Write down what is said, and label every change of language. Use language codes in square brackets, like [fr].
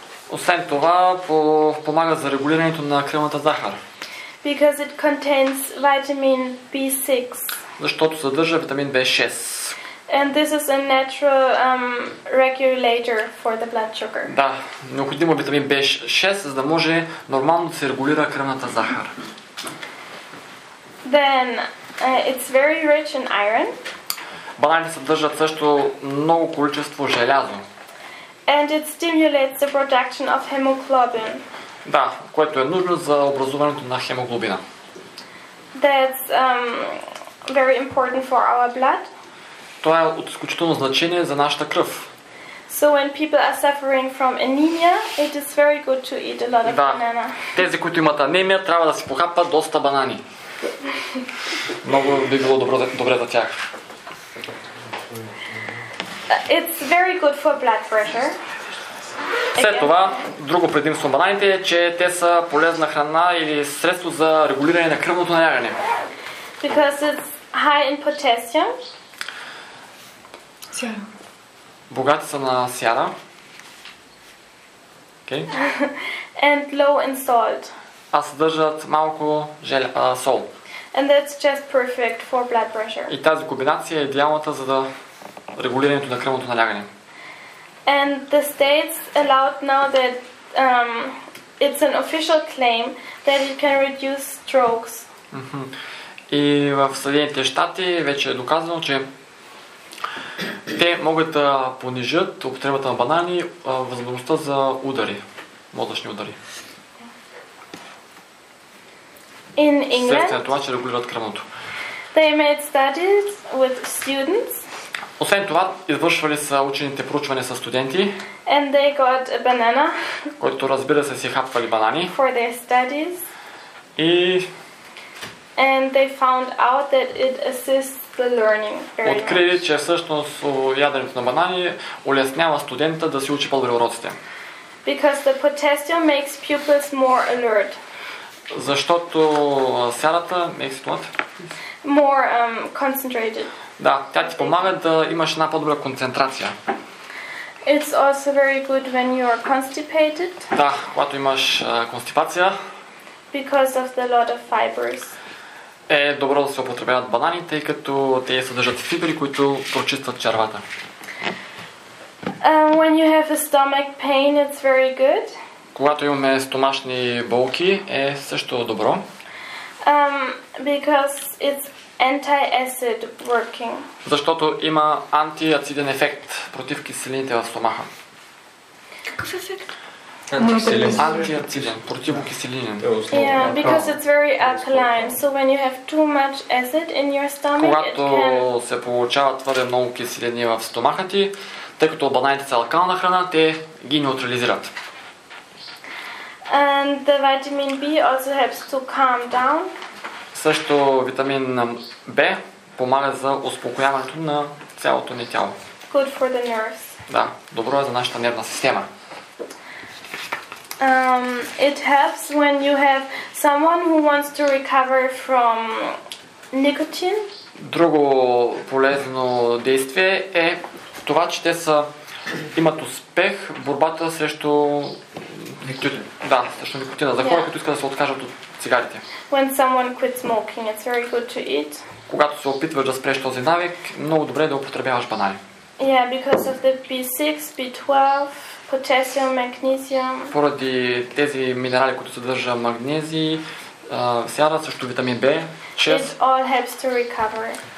[bg] Освен това, помага за регулирането на кръвната захар. [en] Because it contains vitamin B6. [bg] Защото съдържа витамин B6. [en] And this is a natural regulator for the blood sugar. [bg] Да, необходим е витамин B6, за да може нормално да се регулира кръвната захар. [en] Then it's very rich in iron. [bg] Бананите съдържат също много количество желязо. [en] And it stimulates the production of hemoglobin. [bg] Да, което е нужно за образуването на хемоглобина. [en] That's very important for our blood. [bg] Това е от изключително значение за нашата кръв. [en] So when people are suffering from anemia, it is very good to eat a lot of banana. [bg] Да. Тези, които имат анемия, трябва да си похапат доста банани. Много би било добре за тях. [en] It's very good for blood pressure. [bg] След това, друго предимство на бананите е, че те са полезна храна или средство за регулиране на кръвното налягане. [en] Because it's high in potassium. [bg] Богати са на сяра. [en] Okay. And low in salt. [bg] А съдържат малко сол. [en] And that's just perfect for blood pressure. [bg] И тази комбинация е идеалната за да регулирането на кръвното налягане. [en] And the states allowed now that it's an official claim that it can reduce strokes. [bg] И в Съединените щати вече е доказано, че те могат да понижат употребата на банани възможността за удари, мозъчни удари. [en] In England, [bg] след това, че регулират кръвното. [en] They made studies with students. [bg] Освен това, извършвали са учените проучвания с студенти. [en] And they got a banana. [bg] Които, разбира се, си хапвали банани. [en] For their studies. [bg] И [en] and they found out that it assists the learning very much. [bg] Открили, че всъщност яденето на банани улеснява студента да си учи по-добре уроците. [en] Because the potassium makes pupils more alert. [bg] Защото сярата [en] makes what? More concentrated. [bg] Да, тя ти помага да имаш една по-добра концентрация. [en] It's also very good when you are constipated. [bg] Да, когато имаш констипация. [en] Because of the lot of fibers. [bg] Е добро да се употребяват банани, тъй като те съдържат фибри, които прочистват червата. [en] When you have a stomach pain, it's very good. [bg] Когато имаме стомашни болки, е също добро. [en] Because it's anti-acid working. [bg] Защото има антиациден ефект против киселините в стомаха. Какъв ефект? Антиациден, противокиселинен. [en] Yeah, because it's very alkaline. So when you have too much acid in your stomach, [bg] когато се получава твърде много киселини в стомаха ти, тъй като бананите са алкална храна, те ги неутрализират. [en] And the vitamin B also helps to calm down. [bg] Също витамин B помага за успокояването на цялото ни тяло. [en] Good for the nerves. [bg] Да, добро е за нашата нервна система. [en] It helps when you have someone who wants to recover from nicotine. [bg] Друго полезно действие е това, че те са имат успех в борбата срещу никотин. Да, срещу никотина. За хора, които искат да се откажат от цигарите. [en] When someone quits smoking, it's very good to eat. [bg] Когато се опитваш да спреш този навик, много добре е да употребяваш банани. [en] Yeah, because of the B6, B12, potassium, magnesium. [bg] Поради тези минерали, които съдържа магнези, сяра, също витамин B6. [en] It all helps to recover.